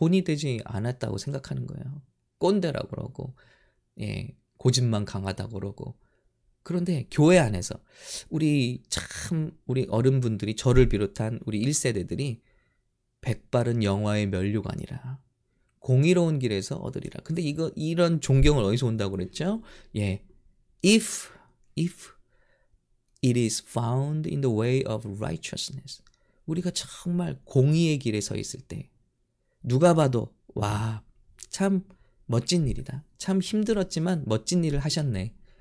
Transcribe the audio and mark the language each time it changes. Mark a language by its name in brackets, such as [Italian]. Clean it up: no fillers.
[Korean] 본이 되지 않았다고 생각하는 거예요. 꼰대라고 그러고, 예, 고집만 강하다고 그러고. 그런데 교회 안에서 우리 참 우리 어른분들이, 저를 비롯한 우리 1세대들이 백발은 영화의 면류관이라 공의로운 길에서 얻으리라. 근데 이거 이런 존경을 어디서 온다고 그랬죠? 예. [English] If it is found in the way of righteousness. [Korean] 우리가 정말 공의의 길에 서 있을 때 누가 봐도 와, 참 멋진 일이다. 참 힘들었지만 멋진 일을 하셨네.